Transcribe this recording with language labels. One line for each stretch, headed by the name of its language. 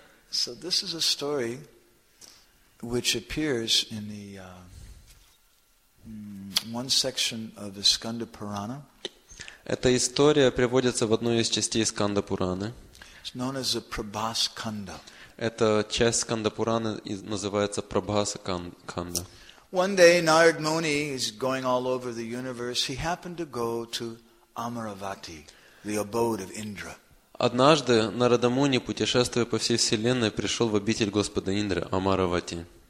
English: So this is a story which appears in the one section of the Skanda Purana.
Russian: Эта история приводится в одной из частей Сканда Пураны.
English: It's known as the Prabhaskanda.
Russian: Эта часть Сканда Пураны называется Прабхасканда.
English: One day Narad Muni is going all over the universe. He happened to go to Amaravati, the abode of Indra.
Russian: Однажды Нарада Муни, путешествуя по всей вселенной, пришел в обитель Господа Индры, Амаравати.